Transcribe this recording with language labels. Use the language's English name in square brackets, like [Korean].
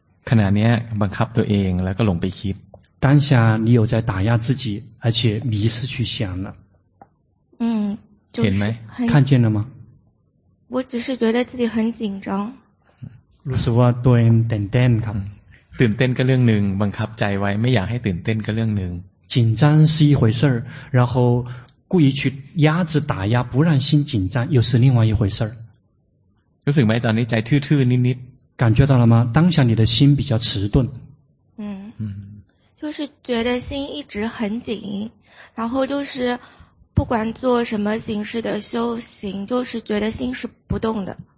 [Thai] ขณะนี้บังคับตัวเองแล้วก็หลงไปคิด [Chinese] 当下你有在打压自己而且迷失去想了就是、 [Thai] เห็นไหม [Chinese] 看见了吗我只是觉得自己很紧张 [Thai] รู้สึกว่าตัวเองตื่นเต้นครับ ตื่นเต้นก็เรื่องหนึ่งบังคับใจไว้ไม่อยากให้ตื่นเต้นก็เรื่องหนึ่ง [Chinese] 紧张是一回事儿然后故意去压制打压不让心紧张又是另外一回事儿 [Thai] รู้สึกไหมตอนนี้ใจทื่อๆนิด [Chinese] ๆ感觉到了吗当下你的心比较迟钝就是觉得心一直很紧然后就是不管做什么形式的修行就是觉得心是不动的